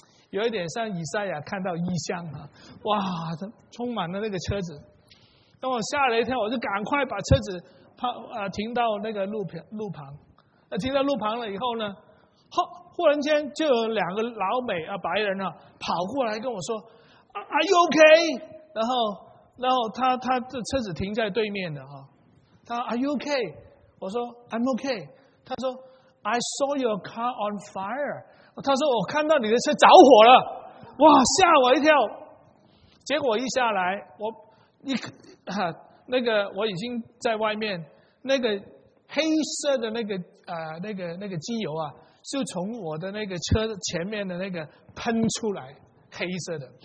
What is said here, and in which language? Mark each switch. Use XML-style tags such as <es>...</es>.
<zh>有一点像以赛亚看到异象啊，哇，充满了那个车子，等我吓了一跳，我就赶快把车子停到那个路旁，停到路旁了以后呢。忽然间就有2个老美啊，白人啊，跑过来跟我说 ：</zh> <en>“Are you okay？”</en> <zh>然后他的车子停在对面的啊，他 ：</zh> <en>“Are you okay？”</en> <zh>我说</zh> <en>：“I'm okay。”</en> <zh>他说</zh> <en>：“I saw your car on fire。”</en> <zh>他说：“我看到你的车着火了。” 哇，吓我一跳！结果一下来，我已经在外面，那个黑色的那个机油啊。就从我的那个车前面的那个喷出来，黑色的。</zh>